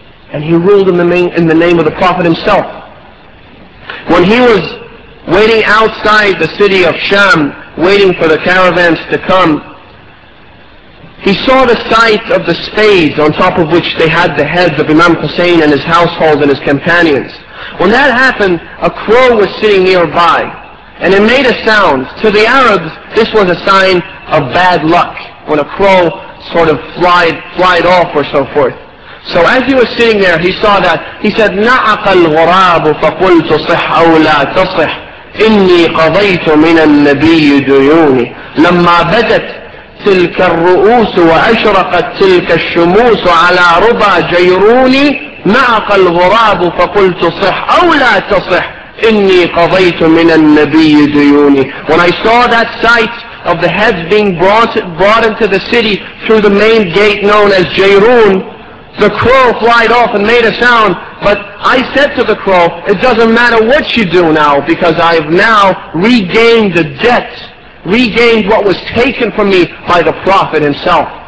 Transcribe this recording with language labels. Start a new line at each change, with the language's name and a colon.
English: And he ruled in the name of the Prophet himself. When he was waiting outside the city of Sham, waiting for the caravans to come, he saw the sight of the spades on top of which they had the heads of Imam Hussein and his household and his companions. When that happened, a crow was sitting nearby, and it made a sound. To the Arabs, this was a sign of bad luck, when a crow sort of flied off or so forth. So as he was sitting there, he saw that. He said,
Arabic: نَعَقَ الْغُرَابُ فَقُلْتُ صِحْ أَوْ لَا تَصِحْ إِنِّي قَضَيْتُ مِنَ النَّبِيِّ دُيُونِي لَمَّا بَدَتْ تِلْكَ الرُّؤُوسُ وَأَشْرَقَتْ تِلْكَ الشُّمُوسُ عَلَى رُبَى جَيْرُونِي نعق الغراب فقلت صح أو لا تصح إني قضيت من النبي ديوني.
English: When I saw that sight of the heads being brought into the city through the main gate known as Jairun, the crow flied off and made a sound. But I said to the crow, it doesn't matter what you do now, because I've now regained the debt, regained what was taken from me by the Prophet himself.